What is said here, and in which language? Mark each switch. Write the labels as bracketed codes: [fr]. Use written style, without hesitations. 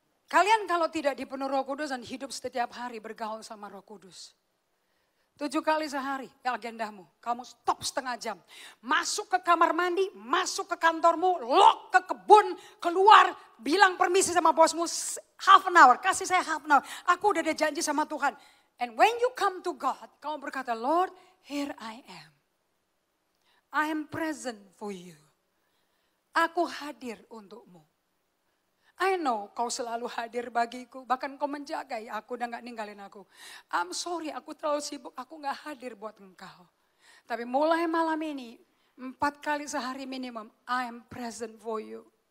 [id] Kalian kalau tidak dipenuhi Roh Kudus dan hidup setiap hari bergaul sama Roh Kudus. 7 kali sehari di agendamu, kamu stop setengah jam. Masuk ke kamar mandi, masuk ke kantormu, lock ke kebun, keluar, bilang permisi sama bosmu, half an hour, kasih saya half an hour. Aku udah ada janji sama Tuhan. [en] And when you come to God, kamu berkata, Lord, here I am present for you. [id] Aku hadir untukmu. I know kau selalu hadir bagiku, bahkan kau menjagai aku dan gak ninggalin aku. I'm sorry, aku terlalu sibuk, aku gak hadir buat engkau. Tapi mulai malam ini, 4 kali sehari minimum, I am present for you.